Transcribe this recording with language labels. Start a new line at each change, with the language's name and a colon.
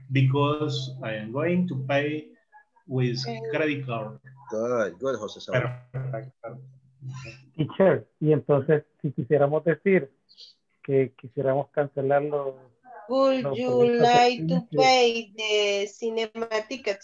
English: Because I am going to pay with credit card. Good, José. Perfect.
Spanish: Teacher, y entonces, si quisiéramos decir que quisiéramos cancelarlo.
English: Would you like to pay the cinema ticket?